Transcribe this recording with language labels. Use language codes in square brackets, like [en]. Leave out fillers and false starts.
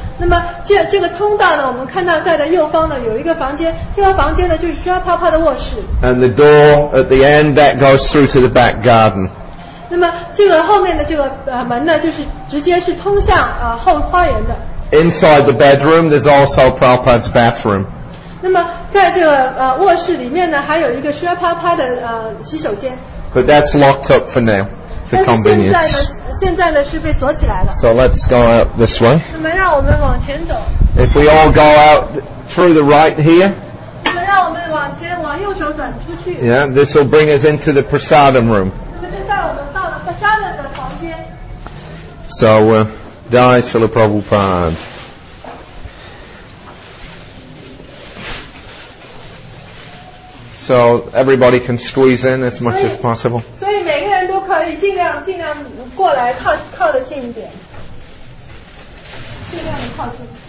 [zh] 那么这个通道呢，我们看到在的右方呢有一个房间，这个房间呢就是需要泡泡的卧室。 [en] And the door at the end that goes through to the back garden. [zh] 那么这个后面的这个门呢，就是直接是通向后花园的。 [en] Inside the bedroom, there's also Prabhupada's bathroom. [zh] 那么在这个卧室里面呢，还有一个需要泡泡的洗手间。 [en] But that's locked up for now. [zh] 但是现在呢是被锁起来了。 [en] So let's go out this way. [zh] 那么让我们往前走。 [en] If we all go out through the right here. [zh] 那么让我们往前往右手转出去。 [en] Yeah, this will bring us into the prasadam room. [zh] 那么就带我们到了 prasadam 的房间。 [en] So, Jai Srila Prabhupada. So everybody can squeeze in as much as possible. [zh] 所以每个人都可以尽量过来靠得近一点，尽量靠近。